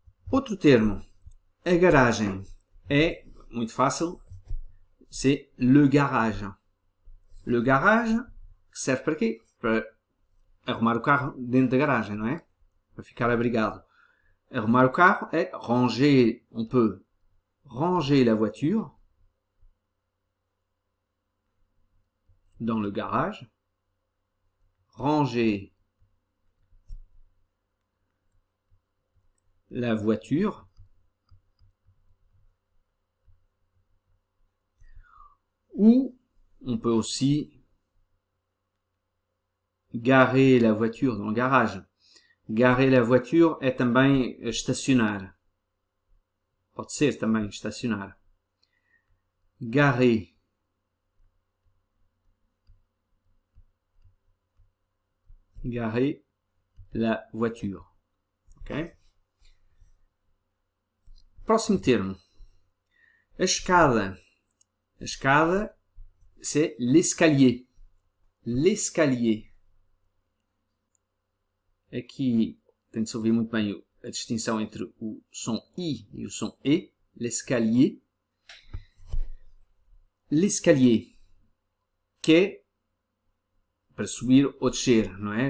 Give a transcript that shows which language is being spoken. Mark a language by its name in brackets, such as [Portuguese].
[Portuguese] Outro termo. A garagem. É muito fácil. [French] C'est le garage. [Portuguese] Le garage serve para quê? Para arrumar o carro dentro da garagem, não é? Para ficar abrigado. Arrumar o carro é ranger. [French] On peut ranger la voiture dans le garage. Ranger la voiture. Ou on peut aussi garer la voiture dans le garage. Garer la voiture est também estacionar. [Portuguese] Pode ser também estacionar. [French] Garer. Garer la voiture. Ok? [Portuguese] Próximo termo. A escada. A escada, c'est l'escalier. [French] L'escalier. [Portuguese] Aqui, tem de se ouvir muito bem a distinção entre o som I e o som E. L'escalier. L'escalier. Que é para subir ou descer, não é?